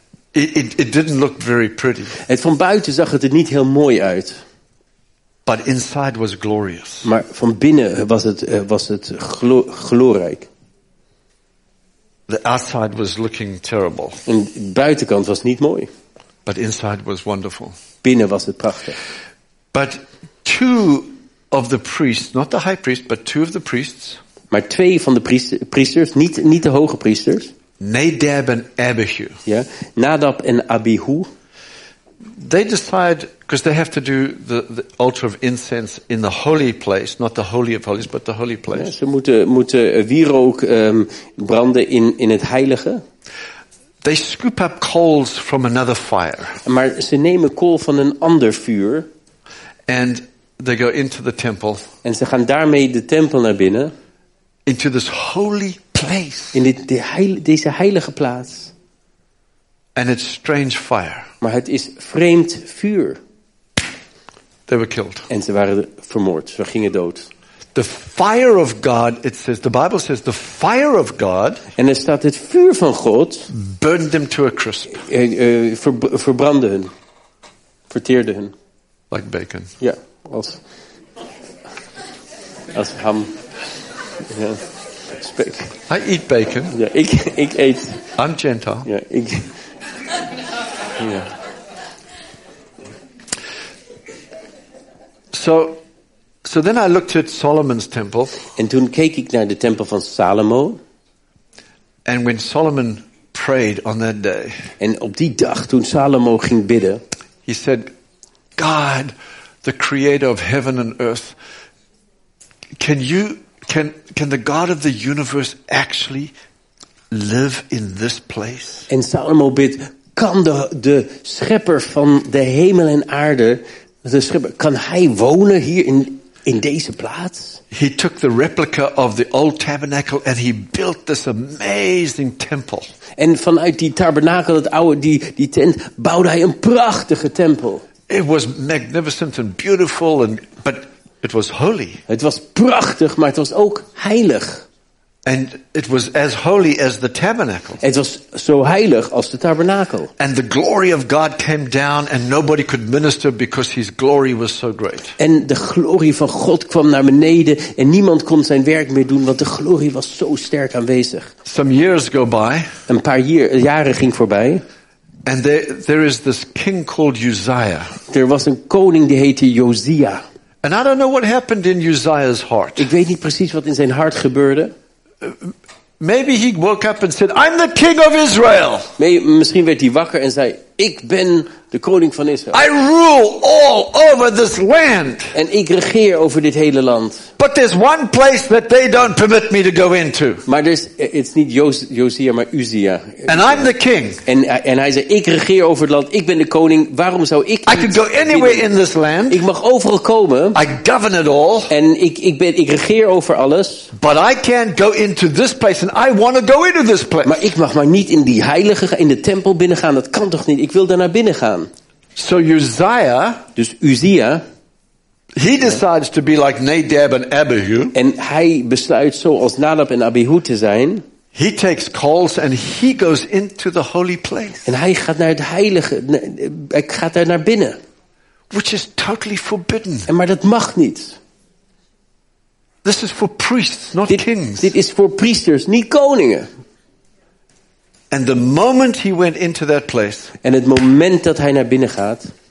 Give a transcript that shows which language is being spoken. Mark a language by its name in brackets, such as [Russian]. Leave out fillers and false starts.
[English] It didn't look very pretty. [Dutch] Het van buiten zag het er niet heel mooi uit. [English] But inside was glorious. [Dutch] Maar van binnen was het glorrijk. [English] The outside was looking terrible. [Dutch] En buitenkant was niet mooi. [English] But inside was wonderful. [Dutch] Binnen was het prachtig. [English] But two of the priests, not the high priest, but two of the priests. [Dutch] Maar twee van de priesters, niet de hoge priesters. Nadab en Abihu. Ja, Nadab en Abihu. [English] They decide, because they have to do the altar of incense in the holy place, not the holy of holies, but the holy place. [Dutch] Ja, ze moeten wierook branden in het heilige. [English] They scoop up coals from another fire. [Dutch] Maar ze nemen kool van een ander vuur. [English] And they go into the temple. [Dutch] En ze gaan daarmee de tempel naar binnen. [English] Into this holy place. [Dutch] In deze heilige plaats. [English] And it's strange fire. [Dutch] Maar het is vreemd vuur. [English] They were killed. [Dutch] En ze waren vermoord. Ze gingen dood. [English] The fire of God, it says, the Bible says, the fire of God. [Dutch] En er staat het vuur van God. [English] Burned them to a crisp. [Dutch] Verbrandde hun. Verteerde hun. [English] Like bacon. [Dutch] Ja, als ham. [English] Ja. I eat bacon. [Dutch] Ja, ik eet. [English] I'm Gentile. [Dutch] Ja, ik. Ja. [English] So then I looked at Solomon's temple. [Dutch] En toen keek ik naar de tempel van Salomo. [English] And when Solomon prayed on that day. [Dutch] En op die dag toen Salomo ging bidden. [English] He said, God, the creator of heaven and earth, can the God of the universe actually live in this place? [Dutch] En Salomo bid, kan de schepper van de hemel en aarde, kan hij wonen hier in deze plaats. [English] He took the replica of the old tabernacle and he built this amazing temple. [Dutch] En vanuit die tabernakel, het oude, die tent, bouwde hij een prachtige tempel. [English] It was magnificent and beautiful and but it was holy. [Dutch] Het was prachtig, maar het was ook heilig. [English] And it was as holy as the tabernacle. [Dutch] Het was zo heilig als de tabernakel. [English] And the glory of God came down and nobody could minister because his glory was so great. [Dutch] En de glorie van God kwam naar beneden en niemand kon zijn werk meer doen want de glorie was zo sterk aanwezig. [English] Some years go by. [Dutch] Een paar jaren ging voorbij. [English] And there is this king called Uzziah. [Dutch] Er was een koning die heette Josia. [English] And I don't know what happened in Uzziah's heart. [Dutch] Ik weet niet precies wat in zijn hart gebeurde. [English] Maybe he woke up and said, "I'm the king of Israel." [Dutch] Misschien werd hij wakker en zei, "Ik ben de koning van Israël." [English] I rule all over this land. [Dutch] En ik regeer over dit hele land. [English] But there's one place that they don't permit me to go into. [Dutch] Maar het is niet Josia, maar Uzia. [English] And I'm the king. [Dutch] En hij zei, ik regeer over het land. Ik ben de koning. Waarom zou ik? [English] I can go anywhere in this land. [Dutch] Ik mag overal komen. [English] I govern it all. [Dutch] En ik regeer over alles. [English] But I can't go into this place, and I want to go into this place. [Dutch] Maar ik mag maar niet in die heilige in de tempel binnengaan. Dat kan toch niet. Ik wil daar naar binnen gaan. [English] So Uzziah, [Dutch] dus Uzia, [English] he decides to be like Nadab and Abihu. [Dutch] En hij besluit zoals Nadab en Abihu te zijn. [English] He takes coals and he goes into the holy place. [Dutch] En hij gaat naar het heilige. Hij gaat daar naar binnen. [English] Which is totally forbidden. [Dutch] En maar dat mag niet. [English] This is for priests, not kings. [Dutch] Dit is voor priesters, niet koningen. [English] And the moment he went into that place, [Dutch] en het moment dat hij naar binnen gaat,